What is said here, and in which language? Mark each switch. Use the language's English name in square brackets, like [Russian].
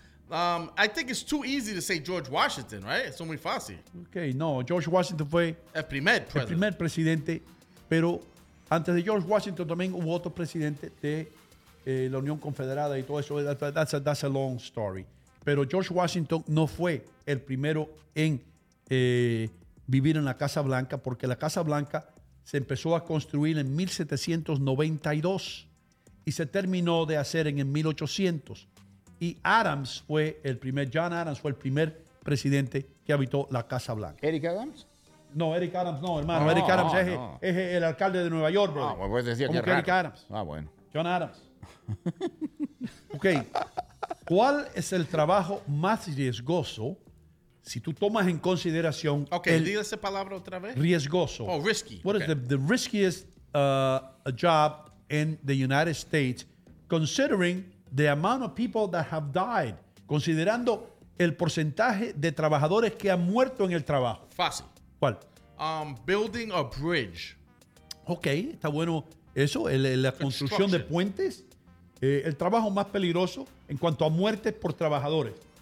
[English] I think it's too easy to say George Washington, right? [Spanish] Es muy fácil. Okay, no. George Washington fue el primer presidente. Pero antes de George Washington también hubo otro presidente de... la Unión Confederada y todo eso, [English] that's a long story. [Spanish] Pero George Washington no fue el primero en vivir en la Casa Blanca, porque la Casa Blanca se empezó a construir en 1792 y se terminó de hacer en 1800. Y Adams fue el primer, John Adams fue el primer presidente que habitó la Casa Blanca. ¿Eric Adams? No, Eric Adams no, hermano. Oh, Eric Adams es el alcalde de Nueva York, bro. Ah, pues decía que Eric Adams. Ah, bueno. John Adams. Ok, ¿cuál es el trabajo más riesgoso si tú tomas en consideración? Ok, diga esa palabra otra vez. Riesgoso. [English] Oh, risky. What is the riskiest job in the United States, considering the amount of people that have died? [Spanish] Considerando el porcentaje de trabajadores que han muerto en el trabajo. Fácil. ¿Cuál? [English] Building a bridge. [Spanish] Ok, está bueno. Eso, la construcción de puentes. el trabajo más peligroso en cuanto a muertes por trabajadores.